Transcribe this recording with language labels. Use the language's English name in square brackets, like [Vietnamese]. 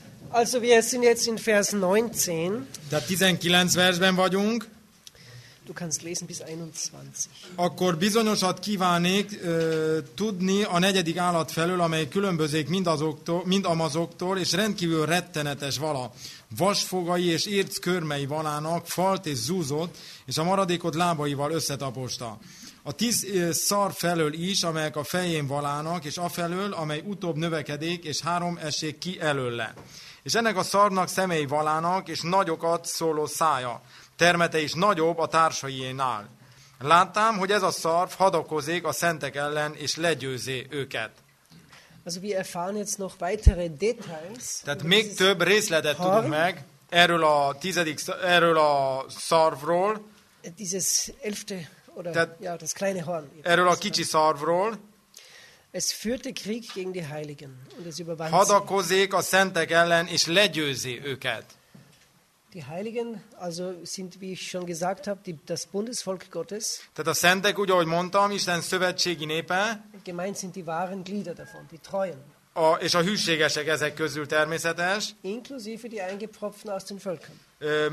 [German] Also wir sind jetzt in Vers 19. [Hungarian] De 19 versben vagyunk. [German] Du kannst lesen bis 21. [Hungarian] Akkor bizonyosat kívánék tudni a negyedik állat felől, amely különbözik mindamazoktól, és rendkívül rettenetes vala. Vasfogai és érc körmei valának, falt és zúzott, és a maradékot lábaival összetaposta. A 10 szar felől is, amelyek a fején valának, és afelől, amely utóbb növekedik, és 3 esék ki előle. És ennek a szarnak szemei valának, és nagyokat szóló szája. Termete is nagyobb a társaiénál. Láttam, hogy ez a szarv hadakozik a szentek ellen, és legyőzi őket. [German] Also wir erfahren jetzt noch weitere Details. [Hungarian] Tehát még több részletet tudunk meg erről a szarvról. [German] Dieses elfte, oder, tehát, ja, das kleine horn. [Hungarian] Erről a kicsi szarvról. [German] Es führte Krieg gegen die Heiligen und es überwand sie. [Hungarian] Hadakozik a szentek ellen, és legyőzi őket. [German] Die Heiligen, also sind, wie ich schon gesagt habe, das Bundesvolk Gottes. [Hungarian] Tehát a szentek, úgy ahogy mondtam, Isten szövetségi népe. [German] Gemeint sind die wahren Glieder davon, die Treuen. [Hungarian] És a hűségesek ezek közül természetes. [German] Inklusive die Eingepropften aus den Völkern.